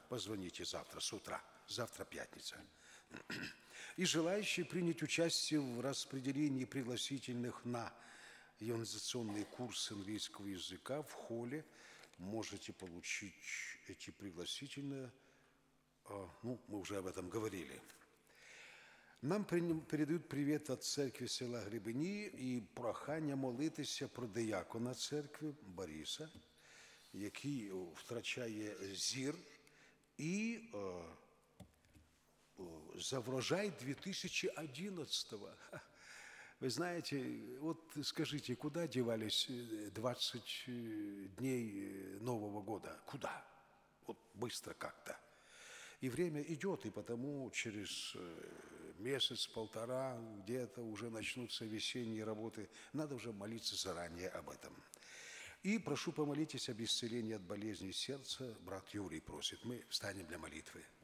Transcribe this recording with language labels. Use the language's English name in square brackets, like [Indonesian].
[Russian] Позвоните завтра с утра, завтра пятница. И желающие принять участие в распределении пригласительных на ионизационный курс английского языка в холле, можете получить эти пригласительные, ну, мы уже об этом говорили. [Ukrainian] Нам передают привет от церкви села Грибині и прохання молитися про диякона церкви Бориса, який втрачає зір, і за врожай 2011-го. Ви знаєте, от скажіть, куди дівались 20 днів Нового року? Куди? От швидко як-то. [Russian] И время идет, и потому через месяц-полтора где-то уже начнутся весенние работы. Надо уже молиться заранее об этом. И прошу помолитесь об исцелении от болезни сердца. Брат Юрий просит. Мы встанем для молитвы.